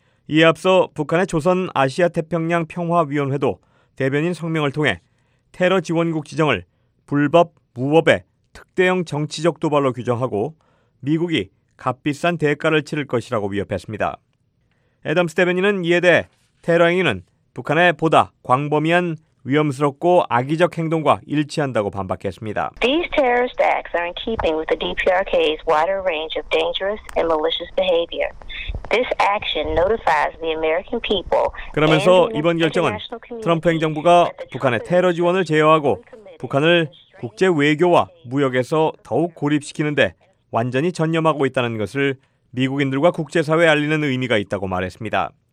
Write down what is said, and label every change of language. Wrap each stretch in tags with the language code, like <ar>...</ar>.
<ko>이에 앞서 북한의 조선아시아태평양평화위원회도 대변인 성명을 통해 테러 지원국 지정을 불법, 무법의 특대형 정치적 도발로 규정하고 미국이 값비싼 대가를 치를 것이라고 위협했습니다. 애덤스 대변인은 이에 대해 테러 행위는 북한의 보다 광범위한 위험스럽고 악의적 행동과 일치한다고 반박했습니다.</ko> <en>These terrorist acts are in keeping with the DPRK's wider range of dangerous and malicious behavior. This action notifies the American people.</en> <ko>그러면서 이번 결정은 트럼프 행정부가 북한의 테러 지원을 제어하고 북한을 국제 외교와 무역에서 더욱 고립시키는데 완전히 전념하고 있다는 것을 미국인들과 국제사회에 알리는 의미가 있다고 말했습니다.</ko>